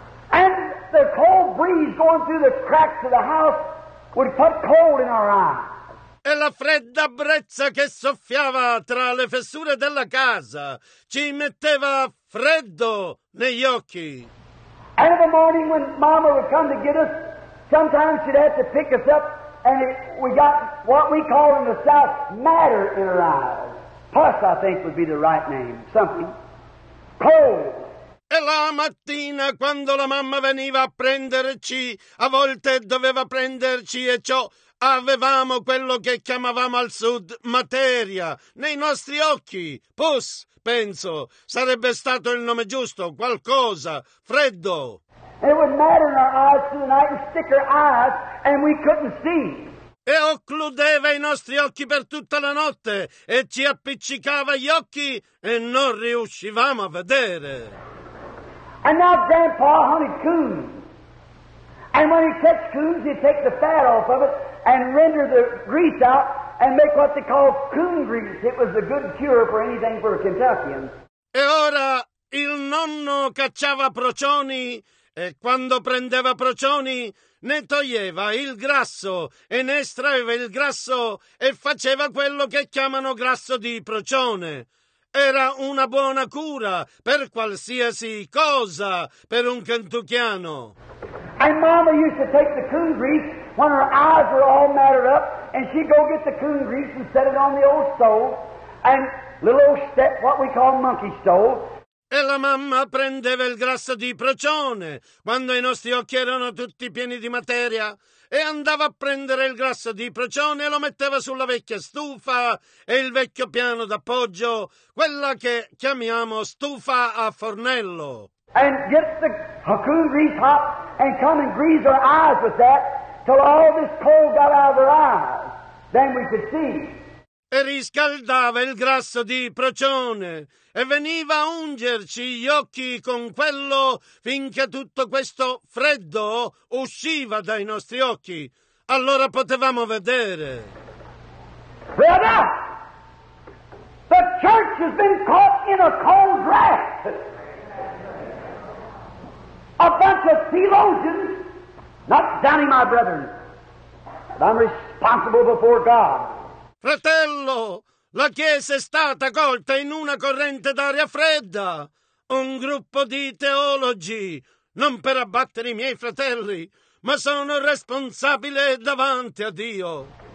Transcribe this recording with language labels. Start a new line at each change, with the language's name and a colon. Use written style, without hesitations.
English: And the cold breeze going through the cracks of the house would put cold in our eyes.
Italian: E la fredda brezza che soffiava tra le fessure della casa ci metteva freddo negli occhi.
English: And in the morning when Mama would come to get us, sometimes she'd have to pick us up and we got what we call in the South matter in her eyes. Pus, I think, would be the right name. Something. Cold.
Italian: E la mattina quando la mamma veniva a prenderci, a volte doveva prenderci e ciò, avevamo quello che chiamavamo al Sud materia nei nostri occhi. Pus. Penso, sarebbe stato il nome giusto, qualcosa, freddo.
English: It would matter in our eyes through the night and stick our eyes and we couldn't see.
Italian: E occludeva i nostri occhi per tutta la notte e ci appiccicava gli occhi e non riuscivamo a vedere.
English: And now Grandpa hunted coons. And when he catches coons, he takes the fat off of it and render the grease out. And make what they call coon grease. It was a good cure for anything for a Kentuckian.
Italian: E ora il nonno cacciava procioni e quando prendeva procioni ne toglieva il grasso e ne estraeva il grasso e faceva quello che chiamano grasso di procione. Era una buona cura per qualsiasi cosa per un kentuckiano.
English: And Mama used to take the coon grease when her eyes were all matted up and she'd go get the coon grease and set it on the old stove and little old step, what we call monkey stove.
Italian: E la mamma prendeva il grasso di procione quando i nostri occhi erano tutti pieni di materia e andava a prendere il grasso di procione e lo metteva sulla vecchia stufa e il vecchio piano d'appoggio, quella che chiamiamo stufa a fornello.
English: And get the coon grease hot and come and grease our eyes with that till all this cold got out of our eyes. Then we could see.
Italian: E riscaldava il grasso di procione e veniva a ungerci gli occhi con quello finché tutto questo freddo usciva dai nostri occhi. Allora potevamo vedere.
English: Brother, the church has been caught in a cold draft. A bunch of theologians, not Danny, my brethren, but I'm responsible before God.
Italian: Fratello, la Chiesa è stata colta in una corrente d'aria fredda. Un gruppo di teologi, non per abbattere i miei fratelli, ma sono responsabile davanti a Dio.